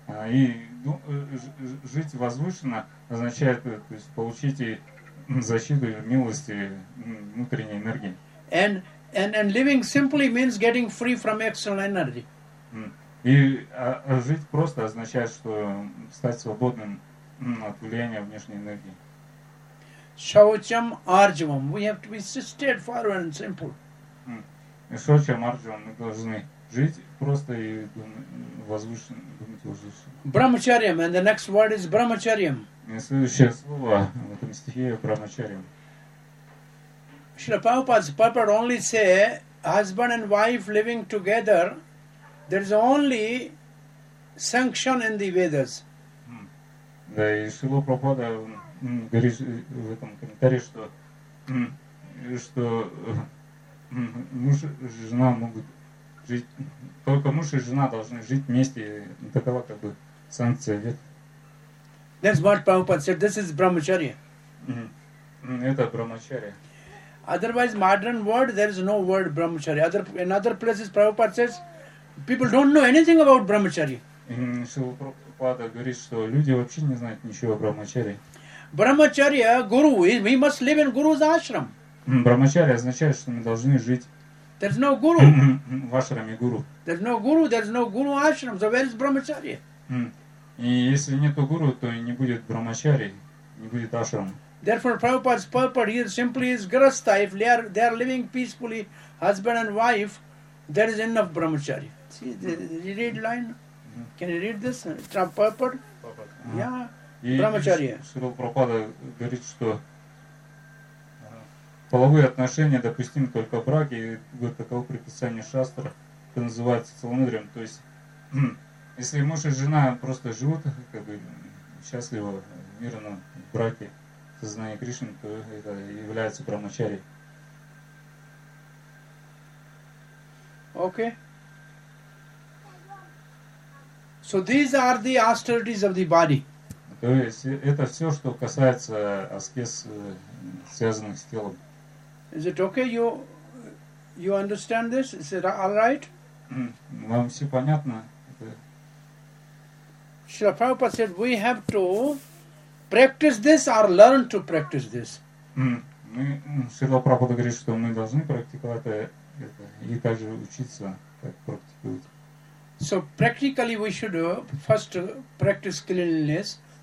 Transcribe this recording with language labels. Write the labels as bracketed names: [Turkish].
[Russian] И жить возвышенно означает, то есть, получить защиту и милость внутренней энергии. [English] And living simply means getting free from external energy. [Russian] И жить просто означает, что стать свободным от влияния внешней энергии. [Sanskrit] Шаучам арджавам. [English] We have to be straightforward and simple. [Sanskrit] Шаучам арджавам. [Russian] Мы должны жить просто и думать возвышенно. [Sanskrit] Брамачарьям. [English] And the next word is брамачарьям. [Russian] Следующее слово в этом стихе брамачарьям. [English] Шрила Прабхупада's purport only say husband and wife living together, there is only sanction in the Vedas. [Russian] Да, и Шрила Прабхупада говорит в этом комментарии, что муж и жена могут жить, только муж и жена должны жить вместе, такова как бы санкция Вед. [English] That's what Prabhupada said, this is Brahmacharya. [Russian] Это Брахмачарья. [English] Otherwise, modern word, there is no word Brahmacharya. In other places, Prabhupada says, people don't know anything about Brahmacharya. [Russian] Шилупрабхупада говорит, что люди вообще не знают ничего о Брахмачарье. [English] Брахмачарья, гуру, we must live in guru's ashram. [Russian] Брахмачарья означает, что мы должны жить. [English] There's no guru. [Russian] В ашраме гуру. [English] There's no guru, there's no guru ashram. So where is Брахмачарья? [Russian] И если нету гуру, то и не будет брамачари, не будет ашрам. [English] Therefore, Prabhupada's purport here simply is grastha. If they are living peacefully, husband and wife, there is enough brahmachari. See, did you read line? Can you read this? Purport? Yeah. Brahmacharya. [Russian] Шрила Прабхупада говорит, что половые отношения допустимы только брак, и вот таково предписание шастра, это называется целомудрием. То есть, если муж и жена просто живут как бы счастливо, мирно, в браке, в сознании Кришны, то это является брахмачари. [English] Okay. So these are the austerities of the body. [Russian] То есть это все, что касается аскез, связанных с телом. [English] Is it okay? You understand this? Is it all right? [Russian] Вам все понятно? [English] Srila Prabhupada said, we have to practice this or learn to practice this. [Russian] Srila Prabhupada говорит, что мы должны практиковать это и также учиться, как практиковать. [English] So practically we should first practice cleanliness.